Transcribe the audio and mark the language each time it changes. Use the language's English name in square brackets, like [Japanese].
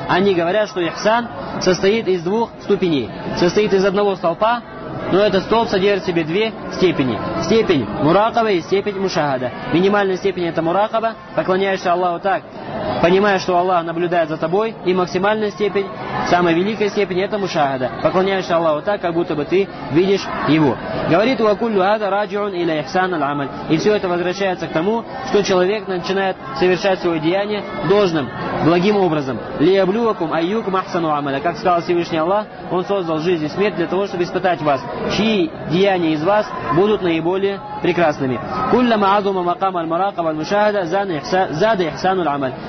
[Russian] Они говорят, что ихсан состоит из двух ступеней, состоит из одного столпа, но этот столб содержит в себе две степени. Степень муракаба и степень мушахада. Минимальная степень это муракаба, поклоняешься Аллаху так, понимая, что Аллах наблюдает за тобой, и максимальная степень, самая великая степень, это мушахада. Поклоняешься Аллаху так, как будто бы ты видишь его. [Arabic] Говорит, وَكُلُّ هَذَا رَاجِعٌ إِلَى إِحْسَانِ الْعَمَلِ. [Russian] И все это возвращается к тому, что человек начинает совершать свое деяние должным, благим образом. [Arabic] لِيَبْلُوَكُمْ أَيُّكُمْ أَحْسَنُ عَمَلًا. [Russian] Как сказал Всевышний Аллах, Он создал жизнь и смерть для того, чтобы испытать вас, чьи деяния из вас будут наиболее прекрасными. [Arabic] كُلَّمَا عَظُمَ مَقَامَ الْمُرَاقَبَةِ وَالْمُشَاهَدَةِ زَادَ إِحْسَانُ الْعَمَلِ.